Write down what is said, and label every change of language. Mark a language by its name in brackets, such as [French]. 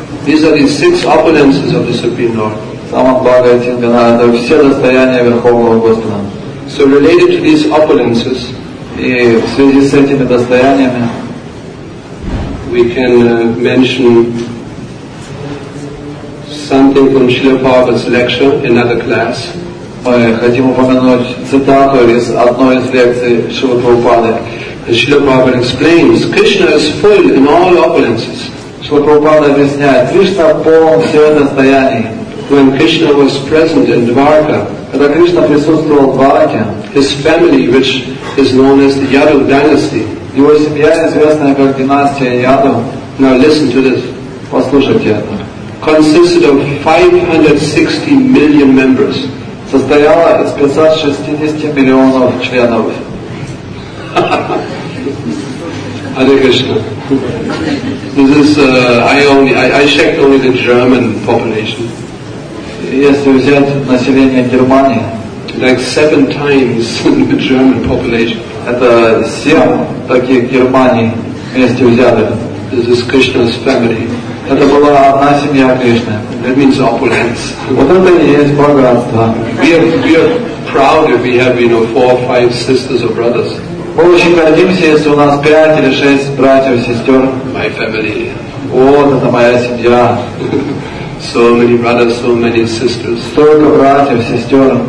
[English] These are the six opulences of the Supreme Lord. Санам бхага и тингана. [Russian] Это все достояния Верховного Господа. [English] So related to these opulences, [Russian] и в связи с этими достояниями [English] we can mention something from Srila Prabhupada's lecture in another class. [Russian] Мы хотим упомянуть цитату из одной из лекций Шрилы Прабхупады. [English] Srila Prabhupada explains Krishna is full in all opulences. [Russian] Шрила Прабхупада объясняет, Кришна полон всех достояний. [English] When Krishna was present in Dvaraka, [Russian] когда Кришна присутствовал в Дваракхе, [English] his family, which is known as the Yadu dynasty. [Russian] Его семья известная как династия Яду. [English] Now listen to this. [Russian] Послушайте это. [English] Consisted of 560 million members. [Russian] Состояла из 560 миллионов членов. [English] Hare Krishna. This is I checked only the German population. [Russian] Если взять население Германии, [English] like seven times the German population. [Russian] Это семь таких Германий вместе взятых. [English] This is Krishna's family. [Russian] Это была одна семья Кришны. [English] That means opulence. [Russian] Вот это и есть богатство. [English] We are proud if we have, you know, four or five sisters or brothers. [Russian] Мы очень гордимся, если у нас пять или шесть братьев и сестер. [English] My family. [Russian] Вот это моя семья. [English] So many brothers, so many sisters. [Russian] Столько братьев, сестер.